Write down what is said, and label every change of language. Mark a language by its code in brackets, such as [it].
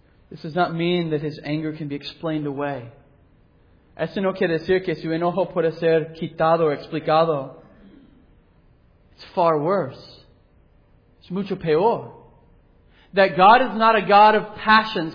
[en] This does not mean that his anger can be explained away. [es] Eso no quiere decir que su enojo puede ser quitado o explicado. [en] It's far worse. [es] Es mucho peor. [en] That God is not a God of passions.